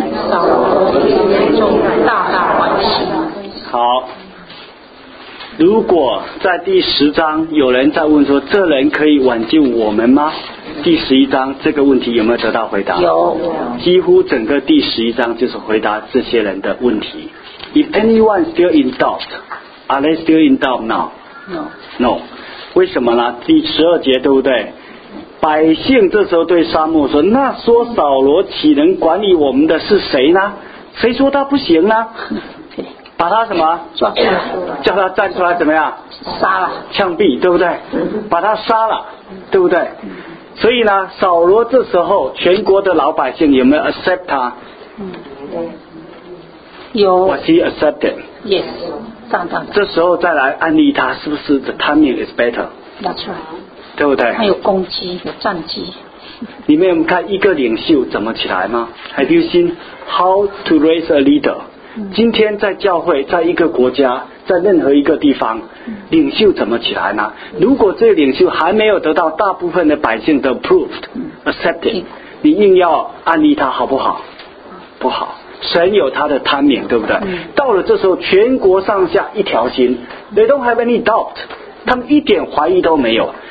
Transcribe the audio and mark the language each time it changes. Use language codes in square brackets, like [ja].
[zh] 扫罗和以色列众大大欢喜。好。如果在第十章有人在问说这人可以挽救我们吗？第十一章这个问题有没有得到回答？有，几乎整个第十一章就是回答这些人的问题。 [en] If anyone still in doubt, are they still in doubt now? No. No. [zh] 为什么呢？第十二节对不对？百姓这时候对沙漠说，那说扫罗岂能管理我们的是谁呢？谁说他不行呢？把他什么叫他站出来怎么样杀了枪毙，对不对？把他杀了，对不对？所以呢，扫罗这时候全国的老百姓有没有 accept 他？有。 [en] Was he accepted? Yes. [zh] 当这时候再来安利他，是不是 [en] the timing is better? That's right. [zh] 对不对？他有攻击，有战绩。你们有没有看一个领袖怎么起来吗？ [en] Have you seen how to raise a leader? [zh] 今天在教会，在一个国家，在任何一个地方，领袖怎么起来呢？如果这个领袖还没有得到大部分的百姓的 approved accepted， 你硬要安利他好不好？不好。神有他的贪念，对不对？到了这时候，全国上下一条心， [en] they don't have any doubt， [zh] 他们一点怀疑都没有。